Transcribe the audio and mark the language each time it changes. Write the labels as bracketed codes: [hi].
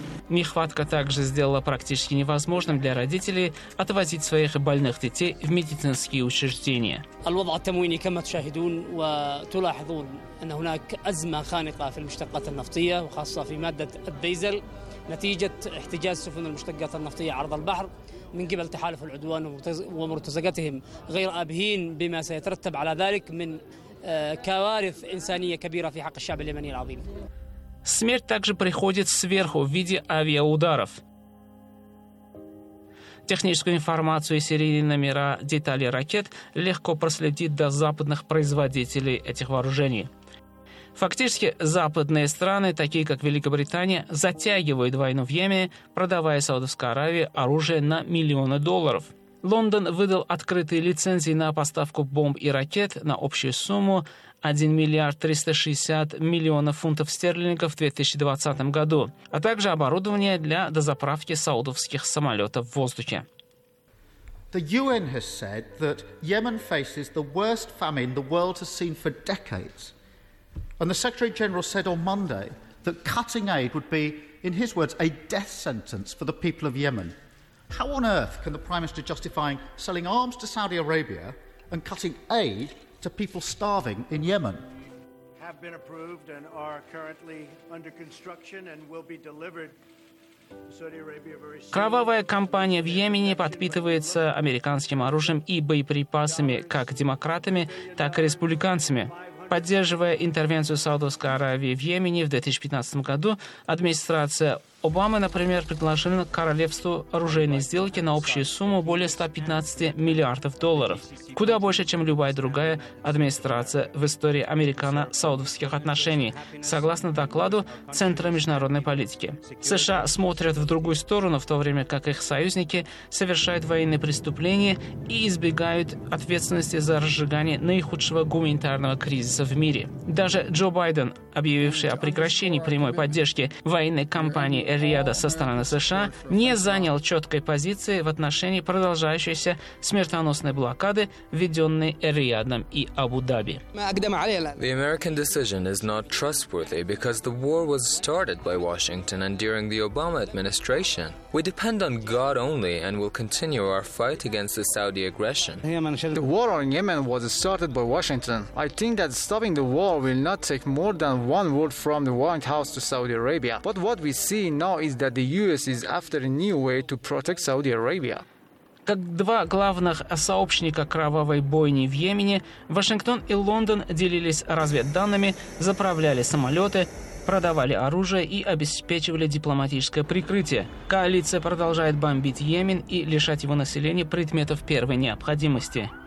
[ru] Нехватка также сделала практически невозможным для родителей отвозить своих больных детей в медицинские учреждения. [ar] نتيجة احتجاز سفن المشتقات النفطية عرض البحر من قبل تحالف العدوان ومرتزقتهم غير آبهين بما سيترتب على ذلك من كوارث إنسانية كبيرة في حق الشعب اليمني العظيم. [ru] Смерть также приходит сверху в виде авиаударов. Техническую информацию и серийные номера деталей ракет легко проследить до западных производителей этих вооружений. Фактически, западные страны, такие как Великобритания, затягивают войну в Йемене, продавая Саудовской Аравии оружие на миллионы долларов. Лондон выдал открытые лицензии на поставку бомб и ракет на общую сумму 1 миллиард 360 миллионов фунтов стерлингов в 2020 году, а также оборудование для дозаправки саудовских самолетов в воздухе. [en] The UN has said that Yemen faces the worst famine the world has seen for decades. And the Secretary-General said on Monday that cutting aid would be, in his words, a death sentence for the people of Yemen. How on earth can the Prime Minister justify selling arms to Saudi Arabia and cutting aid to people starving in Yemen? Have been approved and are currently under construction and will be delivered. [ru] Кровавая кампания в Йемене подпитывается американским оружием и боеприпасами как демократами, так и республиканцами. Поддерживая интервенцию Саудовской Аравии в Йемене в 2015 году, администрация Обамы, например, предложила королевству оружейные сделки на общую сумму более 115 миллиардов долларов, куда больше, чем любая другая администрация в истории американо-саудовских отношений, согласно докладу Центра международной политики. США смотрят в другую сторону, в то время как их союзники совершают военные преступления и избегают ответственности за разжигание наихудшего гуманитарного кризиса в мире. Даже Джо Байден, объявивший о прекращении прямой поддержки военной кампании Эр-Рияда со стороны США, не занял четкой позиции в отношении продолжающейся смертоносной блокады, введенной Эр-Риядом и Абу-Даби. [en] The American decision is not trustworthy because the war was started by Washington and during the Obama administration. We depend on God only and will continue our fight against the Saudi aggression. The war on Yemen was started by Washington. I think that stopping the war will not take more than one word from the White House to Saudi Arabia. But what we see now is that the US is after a new way to protect Saudi Arabia. [ru] Как два главных сообщника кровавой бойни в Йемене, Вашингтон и Лондон делились разведданными, заправляли самолеты, продавали оружие и обеспечивали дипломатическое прикрытие. Коалиция продолжает бомбить Йемен и лишать его населения предметов первой необходимости.